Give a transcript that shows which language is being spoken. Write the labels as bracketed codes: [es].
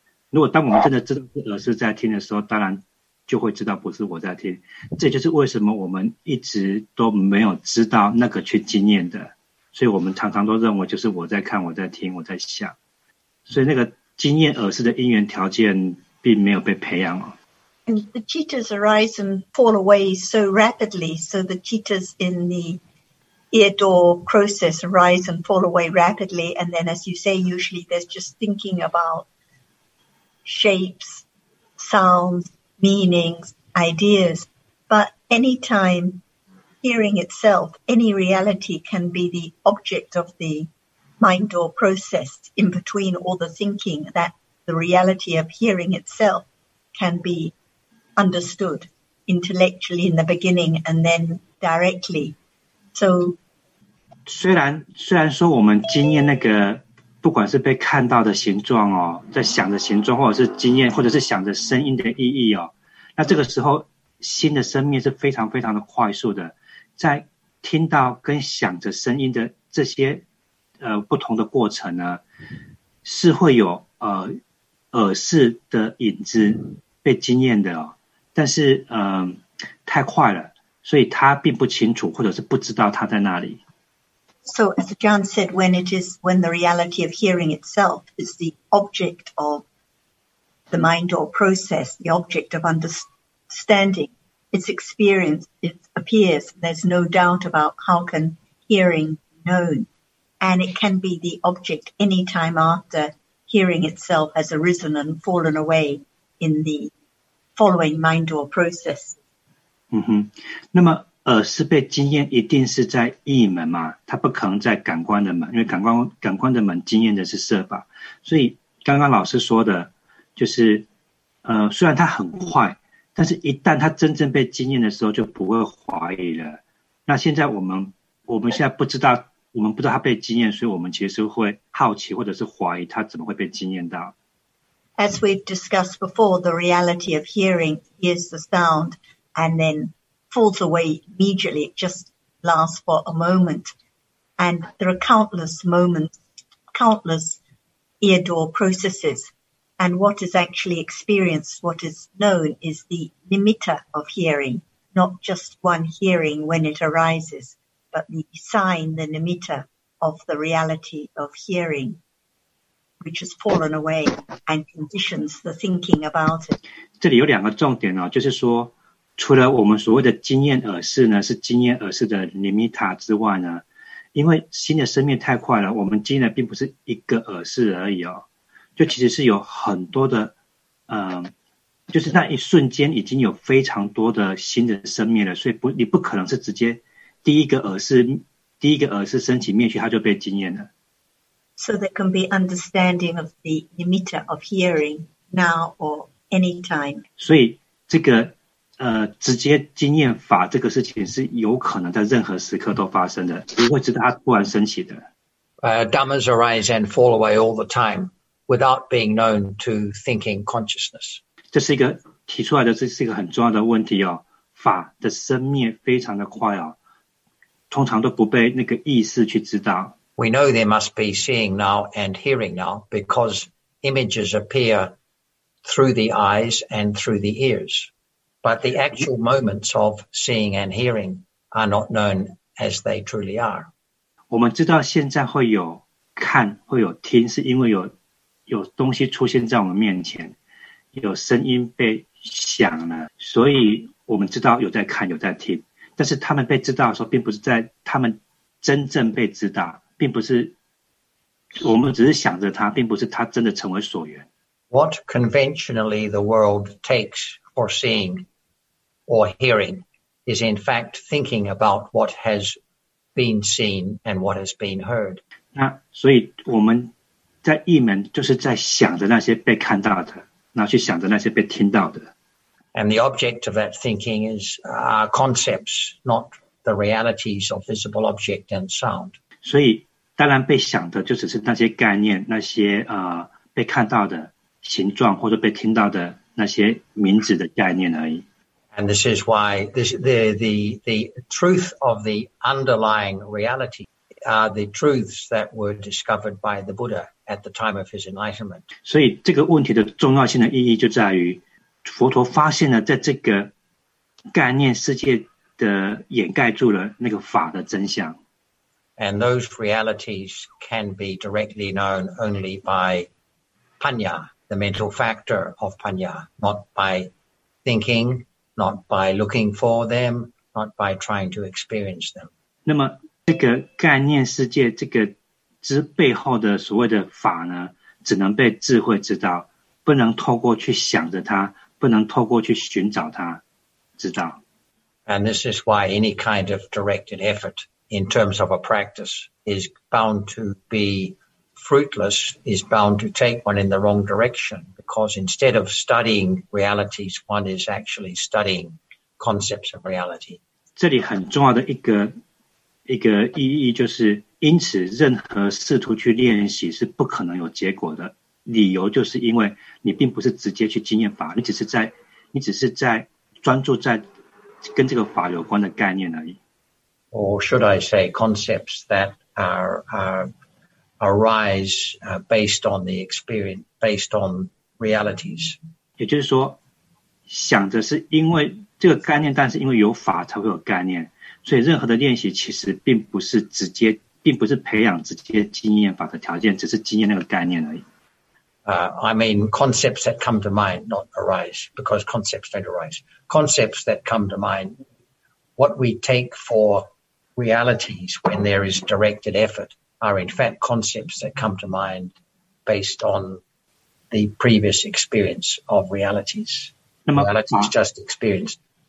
[zh] 如果当我们真的知道是耳识在听的时候，当然就会知道不是我在听。这就是为什么我们一直都没有知道那个去经验的，所以我们常常都认为就是我在看、我在听、我在想。所以那个经验耳识的因缘条件并没有被培养哦。 [en] And the cittas arise and fall away so rapidly, so the cittas in the ear door process arise and fall away rapidly, and then as you say, usually there's just thinking about shapes, sounds, meanings, ideas. But any time hearing itself, any reality can be the object of the mind door process in between all the thinking that the reality of hearing itself can beunderstood intellectually in the beginning and then directly. So, [zh] 虽然说我们经验那个不管是被看到的形状哦，在想的形状，或者是经验，或者是想着声音的意义哦，那这个时候心的生命是非常非常的快速的，在听到跟想着声音的这些不同的过程呢，是会有耳识的影子被经验的哦。但是太快了，所以他并不清楚或者是不知道他在那里。 [en] So as John said, when the reality of hearing itself is the object of the mind or process, the object of understanding, its experience, it appears, there's no doubt about how can hearing be known. And it can be the object any time after hearing itself has arisen and fallen away in the...following mind or process [zh] 那么耳是被经验一定是在意门嘛，它不可能在感官的门，因为感官的门经验的是色吧。所以刚刚老师说的就是虽然它很快，但是一旦它真正被经验的时候就不会怀疑了。那现在我们现在不知道，我们不知道它被经验，所以我们其实会好奇或者是怀疑它怎么会被经验到。 [en] As we've discussed before, the reality of hearing is the sound and then falls away immediately. It just lasts for a moment. And there are countless moments, countless ear door processes. And what is actually experienced, what is known, is the limiter of hearing, not just one hearing when it arises, but the sign, the limiter of the reality of hearing. Which has fallen away and conditions the thinking about it. [zh] 这里有两个重点哦，就是说，除了我们所谓的经验耳识呢，是经验耳识的 limita 之外呢，因为新的生命太快了，我们经验的并不是一个耳识而已哦，就其实是有很多的，就是那一瞬间已经有非常多的新的生命了，所以你不可能是直接第一个耳识升起灭去，它就被经验了。 [en] So there can be understanding of the limiter of hearing now or any time. [zh] 所以这个直接经验法这个事情是有可能在任何时刻都发生的，不会直到它突然升起的。 [en] Dhammas arise and fall away all the time without being known to thinking consciousness. [zh] 这是一个提出来的，这是一个很重要的问题哦。法的生灭非常的快哦，通常都不被那个意识去知道。 [en] We know there must be seeing now and hearing now because images appear through the eyes and through the ears. But the actual moments of seeing and hearing are not known as they truly are. [zh] 我们知道现在会有看会有听是因为有东西出现在我们面前，有声音被响了，所以我们知道有在看有在听，但是他们被知道的时候并不是在他们真正被知道。并不是我们只是想着它，并不是它真的成为所缘。 [en] What conventionally the world takes for seeing or hearing is in fact thinking about what has been seen and what has been heard. [zh] 那所以我们在意门就是在想着那些被看到的，然后去想着那些被听到的。 [en] And the object of that thinking is concepts, not the realities of visible object and sound. [zh] 所以当然被想的就只是那些概念，那些被看到的形状或者被听到的那些名字的概念而已。 [en] And this is why the truth of the underlying reality are the truths that were discovered by the Buddha at the time of his enlightenment. [zh] 所以这个问题的重要性的意义就在于佛陀发现了在这个概念世界的掩盖住了那个法的真相。 [en] And those realities can be directly known only by panya, the mental factor of panya, not by thinking, not by looking for them, not by trying to experience them. [zh] 那么这个概念世界这个之背后的所谓的法呢，只能被智慧知道，不能透过去想着它，不能透过去寻找它知道。 [en] And this is why any kind of directed effort. In terms of a practice, is bound to be fruitless, is bound to take one in the wrong direction, because instead of studying realities, one is actually studying concepts of reality. [zh] 这里很重要的一个意义就是，因此任何试图去练习是不可能有结果的。理由就是因为你并不是直接去经验法，你只是在专注在跟这个法有关的概念而已。 [en] Or should I say concepts that arise based on the experience, based on realities. [zh] 也就是说想着是因为这个概念，但是因为有法才会有概念。所以任何的练习其实并不是培养直接经验法的条件，只是经验那个概念而已。 [en] I mean concepts that come to mind, not arise, because concepts don't arise. Concepts that come to mind, what we take for,realities when there is directed effort are in fact concepts that come to mind based on the previous experience of realities. Realities just experienced.